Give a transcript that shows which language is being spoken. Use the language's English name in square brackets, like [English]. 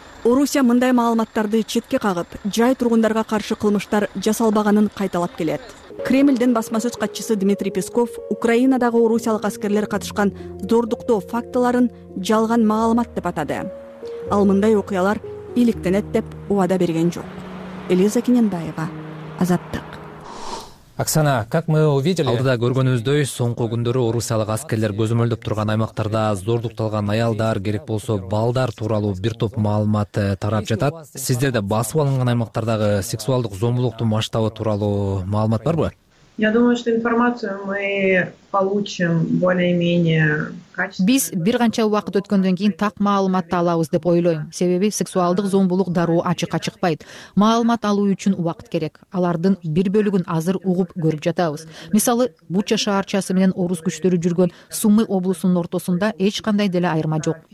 [Kyrgyz] Орусия мындай маалыматтарды четке кагып, жай тургундарга каршы кылмыштар жасалбаганын кайталап келет. Кремлдин басма сөз катчысы Дмитрий Песков Украинадагы орусиялык аскерлер катышкан зордуктоо фактыларын жалган маалымат деп атады. Ал мындай окуялар иликтенет деп убада берген жок. Элиза Кененбаева, Азаттык. [Russian] Оксана, как мы увидели, [Kyrgyz] алдыда көргөнүбүздөй, соңку күндөрү орусиялык аскерлер көзөмөлдөп турган аймактарда зордукталган аялдар, керек болсо балдар тууралуу бир топ маалымат тарап жатат. Сиздерде басып алынган аймактардагы сексуалдык зомбулуктун масштабы тууралуу маалымат барбы? [Russian] Я думаю, что информацию мы получим более-менее качественно. [Kyrgyz] Биз бир канча убакыт өткөндөн кийин так маалыматты алабыз деп ойлойм. Себеби сексуалдык зомбулук дароо ачыкка чыкпайт. Маалымат алуу үчүн убакыт керек. Алардын бир бөлүгүн азыр угуп көрүп жатабыз. Мисалы, Буча шаарчасы менен орус күчтөрү жүргөн Сумы облусунун ортосунда эч кандай деле айырма жок.